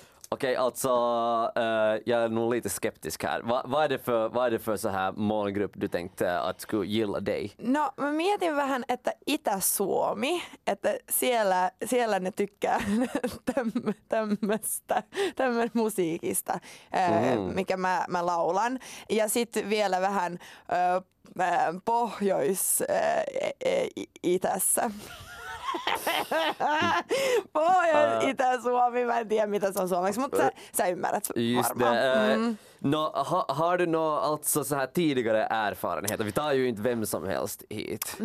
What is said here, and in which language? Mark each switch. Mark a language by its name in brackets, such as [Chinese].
[Swedish] Okej, alltså, jag är nog lite skeptisk här. Vad är det för så här målgrupp du tänkte att skulle gilla dig? [Finnish] No, mä mietin vähän, että Itä-Suomi, että siellä ne tykkää tämmöstä musiikista, mikä mä laulan. Ja sit vielä vähän pohjois-itässä. Pohjois-Itä-Suomi, mä en tiedä mitä se on suomeksi, mutta sä ymmärrät varmaan. [Swedish] No, har du något alltså så här tidigare erfarenheter? Vi tar ju inte vem som helst hit.